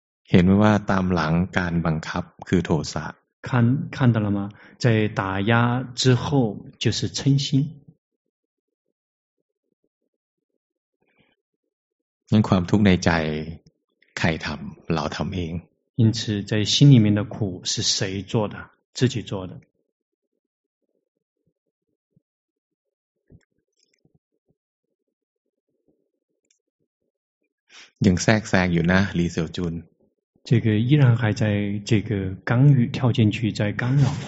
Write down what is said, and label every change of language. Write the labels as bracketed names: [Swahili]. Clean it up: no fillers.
[Thai] เห็นไหมว่าตามหลังการบังคับคือโทสะ [Chinese] 看到了吗在打压之后就是嗔心 [Thai] นั่นความทุกข์ในใจใครทำเราทำเอง [Chinese] 因此在心里面的苦是谁做的自己做的 [Thai] ยังแทรกแซงอยู่นะลีเซียวจุน [Chinese] 这个依然还在这个干预跳进去在干扰